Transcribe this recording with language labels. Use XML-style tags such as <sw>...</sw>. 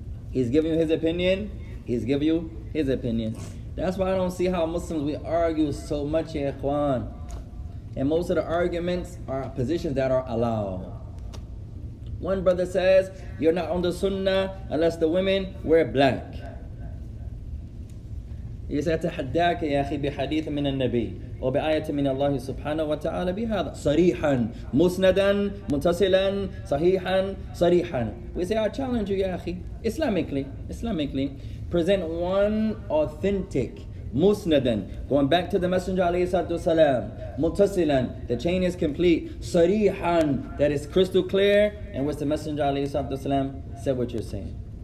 <en>He's giving you his opinion. He's giving you his opinion. That's why I don't see how Muslims, we argue so much, ya ikhwan. And most of the arguments are positions that are allowed. One brother says, you're not on the sunnah unless the women wear black. He said,</en> <ar>تحداك يا أخي بحديث من النبي وبآية من الله سبحانه وتعالى بهذا صريحا مسندا متصلا صحيحا صريحا.</ar> <en>We say, I challenge you, يا أخي, Islamically, present one authentic musnadan, going back to the Messenger alayhi salatu wasalam, mutasilan, the chain is complete, sarihan, that is crystal clear, and what's the Messenger alayhi salatu wasalam said what you're saying.</en>